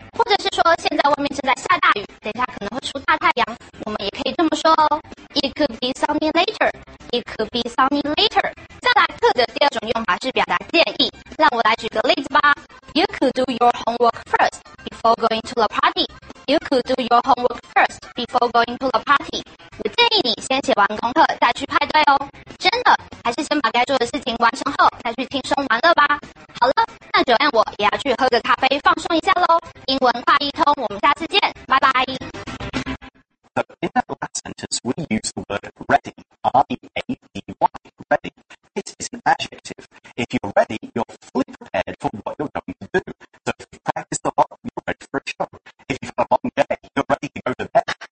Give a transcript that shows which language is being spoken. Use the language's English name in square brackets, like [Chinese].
[Chinese] 或者是说现在外面正在下大雨，等一下可能会出大太阳。我们也可以这么说哦。 [English] It could be sunny later. It could be sunny later. [Chinese] 再来课的第二种用法是表达建议。让我来举个例子吧。 [English] You could do your homework first before going to the party. You could do your homework first before going to the party. [Chinese] 我建议你先写完功课再去派对哦。真的，还是先把该做的事情完成后再去轻松玩乐吧。好了，那Joanne我也要去喝个咖啡放松一下咯。英文快一通，我们下次见，拜拜。 [English] So in that last sentence, we use the word ready, R-E-A-D-Y, ready. It is an adjective. If you're ready, you're fully prepared for what you're going to do. So if you practice a lot, you're ready for a show. If you've had a long day, you're ready to go to bed.